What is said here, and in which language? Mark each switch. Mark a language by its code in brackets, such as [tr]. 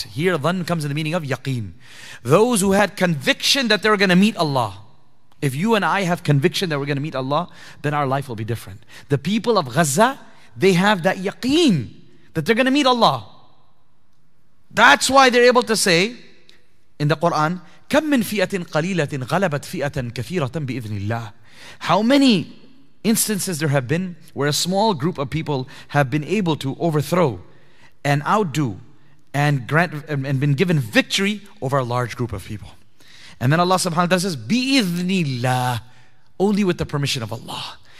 [en] Here, dhan comes in the meaning of yaqeen. Those who had conviction that they're going to meet Allah. If you and I have conviction that we're going to meet Allah, then our life will be different. The people of Gaza, they have that yaqeen that they're going to meet Allah. That's why they're able to say, In the Quran, [ar] كَمْ مِنْ فِيَةٍ قَلِيلَةٍ غَلَبَتْ فِيَةً كَثِيرَةً بِإِذْنِ اللَّهِ. [en] How many instances there have been where a small group of people have been able to overthrow and outdo and grant and been given victory over a large group of people. And then Allah subhanahu wa ta'ala says, [ar] بِإِذْنِ اللَّهِ, [en] only with the permission of Allah.